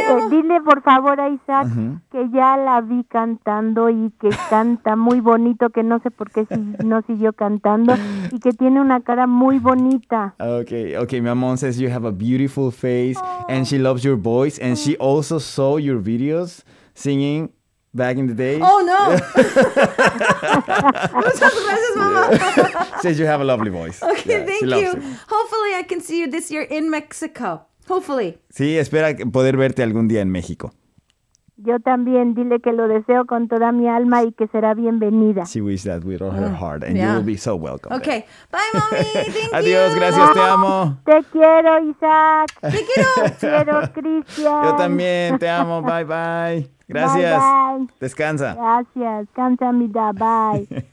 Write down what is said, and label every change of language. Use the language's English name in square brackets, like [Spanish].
[Spanish] Dile por favor a Isaac que ya la vi cantando y que canta muy bonito, que no sé por qué no siguió cantando y que tiene una cara muy bonita. [English] Okay. My mom says you have a beautiful face and she loves your voice and she also saw your videos singing back in the day. [Spanish] Oh no. Muchas gracias, Mama. [English] Says you have a lovely voice. Okay, yeah, thank you. Hopefully I can see you this year in Mexico. Hopefully. [Spanish] Sí, espera poder verte algún día en México. Yo también, dile que lo deseo con toda mi alma y que será bienvenida. [English] She wishes that with all her heart and you will be so welcome. Okay, there. Bye, mommy. Thank you. [Spanish] Adiós, gracias, te amo. Te quiero, Isaac. Te quiero. Te quiero, Christian. Yo también, te amo. [English] Bye, bye. [Spanish] Gracias. [English] Bye, bye. [Spanish] Descansa. Gracias. Canta, amiga. Bye.